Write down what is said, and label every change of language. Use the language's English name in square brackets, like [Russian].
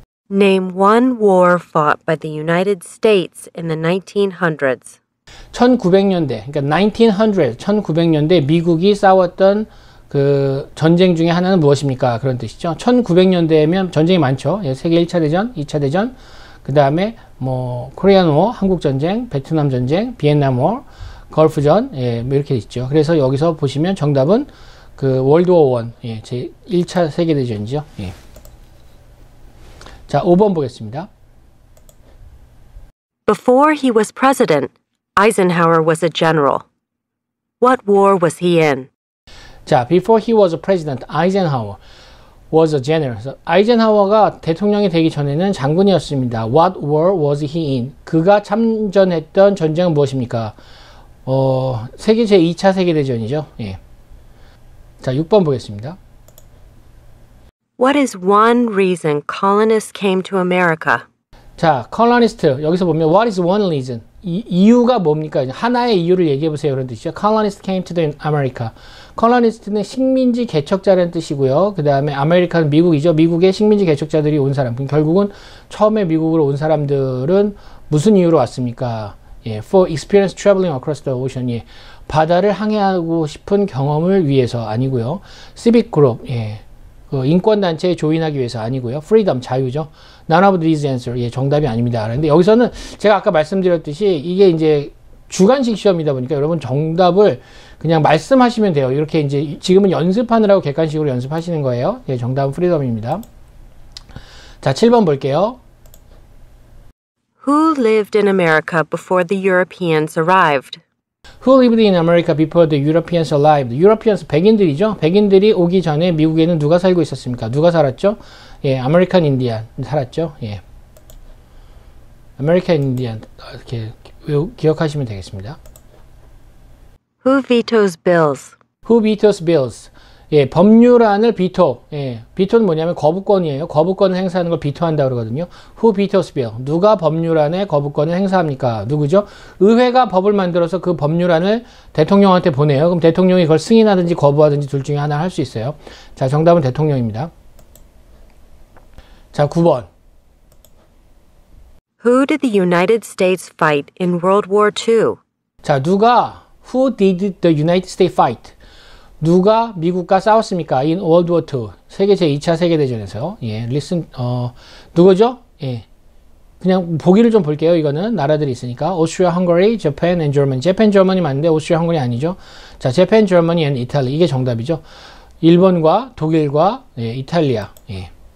[English] Name one war fought by the United States in the 1900s. [Korean] 1900년대, 그러니까 1900, 1900년대 미국이 싸웠던 그 전쟁 중에 하나는 무엇입니까? 그런 뜻이죠. 1900년대면 전쟁이 많죠. 예, 세계 1차 대전, 2차 대전, 그 다음에 뭐 코리안 워, 한국 전쟁, 베트남 전쟁, 비엔남 워, 걸프전, 예, 이렇게 있죠. 그래서 여기서 보시면 정답은 그 월드워 원, 예, 제 1차 세계 대전이죠. 예. 자, 5번 보겠습니다. [English] Before he was president, Eisenhower was a general. What war was he in? 자, before he was a president, Eisenhower was a general. [Korean] 아이젠하워가 대통령이 되기 전에는 장군이었습니다. [English] What war was he in? [Korean] 그가 참전했던 전쟁은 무엇입니까? 세계 제2차 세계대전이죠. 예. 자, 6번 보겠습니다. [English] What is one reason colonists came to America? [Korean] 자, colonist, 여기서 보면 what is one reason? 이유가 뭡니까? 하나의 이유를 얘기해 보세요. 그런 뜻이죠. Colonists came to America. Colonist는 식민지 개척자라는 뜻이고요. 그 다음에 아메리카는 미국이죠. 미국의 식민지 개척자들이 온 사람. 결국은 처음에 미국으로 온 사람들은 무슨 이유로 왔습니까? [English] 예, for experience traveling across the ocean. [Korean] 예, 바다를 항해하고 싶은 경험을 위해서 아니고요. [English] Civic group. 예. [Korean] 그 인권단체에 조인하기 위해서 아니고요. [English] Freedom, 자유죠. None of these answers. 예, 정답이 아닙니다. [Korean] 그런데 여기서는 제가 아까 말씀드렸듯이 이게 이제 주관식 시험이다 보니까 여러분 정답을 그냥 말씀하시면 돼요. 이렇게 이제 지금은 연습하느라고 객관식으로 연습하시는 거예요. 예, 정답은 Freedom입니다. 자, 7번 볼게요. [English] Who lived in America before the Europeans arrived? Who lived in America before the Europeans arrived? [Korean] Europeans, 백인들이죠. 백인들이 오기 전에 미국에는 누가 살고 있었습니까? 누가 살았죠? 예, American Indian 살았죠. 예, American Indian 이렇게 기억하시면 되겠습니다. [English] Who vetoes bills? Who vetoes bills? 예, 법률안을 비토. [Korean] 예, 비토는 뭐냐면 거부권이에요. 거부권을 행사하는 걸 비토한다 그러거든요. [English] Who vetoes bill? [Korean] 누가 법률안의 거부권을 행사합니까? 누구죠? 의회가 법을 만들어서 그 법률안을 대통령한테 보내요. 그럼 대통령이 그걸 승인하든지 거부하든지 둘 중에 하나를 할수 있어요. 자, 정답은 대통령입니다. 자, 9번. [English] Who did the United States fight in World War II? 자, 누가, who did the United States fight? [Korean] 누가 미국과 싸웠습니까? [English] In World War II. [Korean] 세계 제2차 세계대전에서. 예, listen, 누구죠? 예. 그냥 보기를 좀 볼게요. 이거는 나라들이 있으니까. [English] Austria, Hungary, Japan, and Germany. Japan, Germany 맞는데, Austria, Hungary 아니죠? [Korean] 자, Japan, Germany, and Italy. 이게 정답이죠. 일본과 독일과, 예, 이탈리아. 예.